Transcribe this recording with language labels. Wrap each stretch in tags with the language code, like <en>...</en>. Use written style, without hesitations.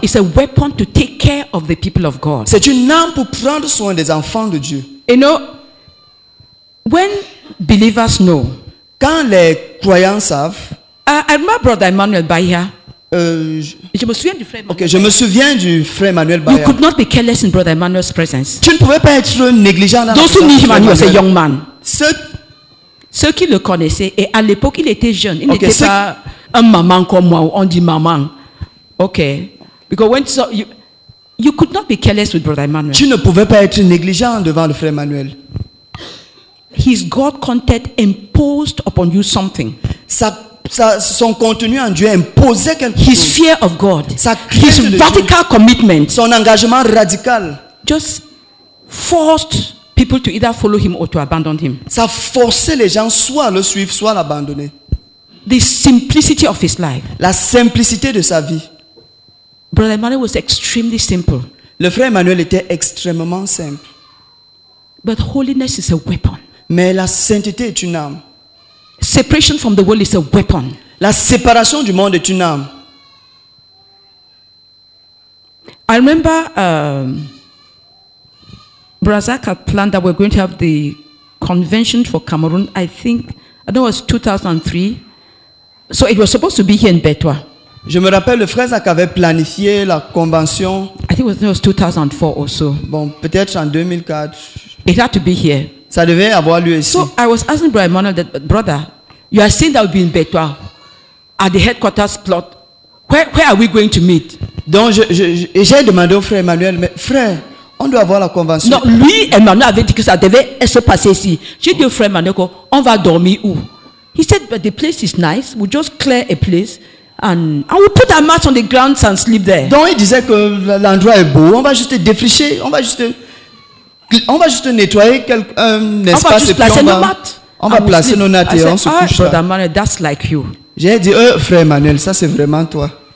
<en>It's a weapon to take care of the people of God.</en> <fr>C'est une arme pour prendre soin des enfants de Dieu.</fr> <en>You know, when believers know,</en> <fr>quand les croyants savent,</fr> <en>my brother Emmanuel Bahia.</en> <fr>Je me souviens du frère Emmanuel Bahia.</fr> <en>You could not be careless in brother Emmanuel's presence.</en> <fr>Tu ne pouvais pas être négligent.</fr> <en>Those who knew him when he was a young man.</en> <fr>Ceux qui le connaissaient, et à l'époque il était jeune, il n'était pas un maman comme moi, on dit maman.</fr> <en>Because when you could not be careless with brother Emmanuel.</en> <fr>Tu ne pouvais pas être négligent devant le frère Emmanuel.</fr> <en>His God content imposed upon you something.</en> <fr>Son contenu en Dieu imposait quelque</fr> <en>his</en> <fr>chose.</fr> <en>His fear of God.</en> <fr>Sa</fr> <en>his radical</en> <fr>Dieu.</fr> <en>Commitment.</en> <fr>Son engagement radical.</fr> <en>Just forced people to either follow him or to abandon him.</en> <fr>Ça forçait les gens soit à le suivre, soit à l'abandonner.</fr> <en>The simplicity of his life.</en> <fr>La simplicité de sa vie.</fr> <en>Brother Emmanuel was extremely simple.</en> <fr>Le frère Emmanuel était extrêmement simple.</fr> <en>But holiness is a weapon.</en> <fr>Mais la sainteté est une arme.</fr> <en>Separation from the world is a weapon.</en> <fr>La séparation du monde est une arme.</fr> <en>I remember Brazak had planned that we're going to have the convention for Cameroon. I think it was 2003. So it was supposed to be here in Betwa.</en> <fr>Je me rappelle le frère Zak avait planifié la convention.</fr> <en>I think it was 2004 or so.</en> <fr>Bon, peut-être en 2004.</fr> <en>It had to be here.</en> <fr>Ça devait avoir lieu ici.</fr> <en>So I was asking Brother Emmanuel that brother, you are saying that we'll be in Betwa at the headquarters plot. Where are we going to meet?</en> <fr>Donc j'ai demandé au frère Emmanuel, mais frère, on doit avoir la convention. Non, lui Emmanuel avait dit que ça devait se passer ici. J'ai dit au frère Emmanuel, on va dormir où?</fr> <en>He said, but the place is nice. We'll just clear a place and we'll put our mats on the ground and sleep there.</en> <fr>Donc il disait que l'endroit est beau. On va juste défricher. On va juste nettoyer un espace et puis on va placer nos nattes et on se couche.</fr> <en>Brother Emmanuel, that's like you.</en> <fr>J'ai dit, frère Emmanuel, ça c'est vraiment toi.</fr>